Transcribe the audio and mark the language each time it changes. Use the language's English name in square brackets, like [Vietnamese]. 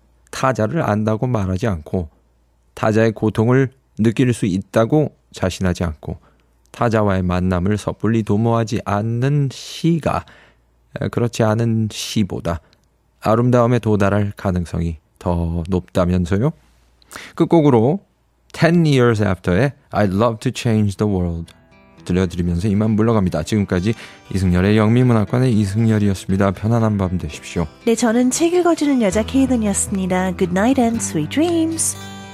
[Korean] 타자를 안다고 말하지 않고 타자의 고통을 느낄 수 있다고 자신하지 않고 타자와의 만남을 섣불리 도모하지 않는 시가 그렇지 않은 시보다 아름다움에 도달할 가능성이 더 높다면서요? 끝곡으로 10 Years After의 I'd Love to Change the World 들려드리면서 이만 물러갑니다. 지금까지 이승열의 영미문학관의 이승열이었습니다. 편안한 밤 되십시오. 네, 저는 책 읽어주는 여자 케이든이었습니다. [English] Good night and sweet dreams.